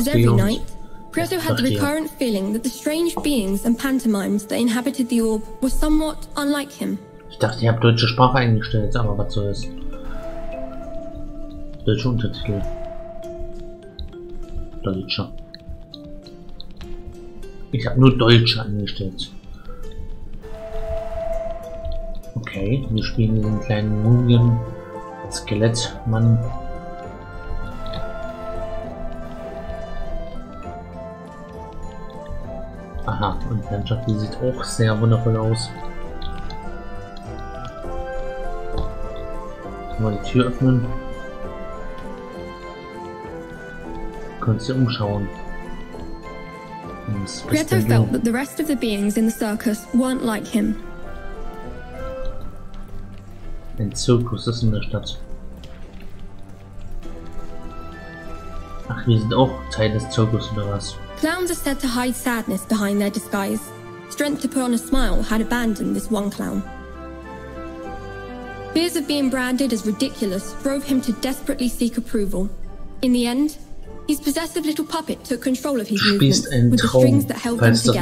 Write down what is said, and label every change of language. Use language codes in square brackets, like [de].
[en] as every night, Prieto had the recurrent feeling that the strange beings and pantomimes that inhabited the orb were somewhat unlike him. [de] Ich dachte, ich habe deutsche Sprache eingestellt, aber was soll es? Deutsche Untertitel. Deutscher. Ich habe nur Deutsche eingestellt. Okay, wir spielen diesen kleinen Mumien. Skelettmann. Aha, und die Landschaft, die sieht auch sehr wundervoll aus. Kann man die Tür öffnen? Könnt ihr umschauen? [en] Greta felt that the rest of the beings in the circus weren't like him. [de] Ein Zirkus ist in der Stadt. Ach, wir sind auch Teil des Zirkus oder was? [en] Clowns are said to hide sadness behind their disguise. Strength to put on a smile had abandoned this one clown. Fears of being branded as ridiculous drove him to desperately seek approval. In the end, his possessive little puppet took control of his movements with the strings that held him together.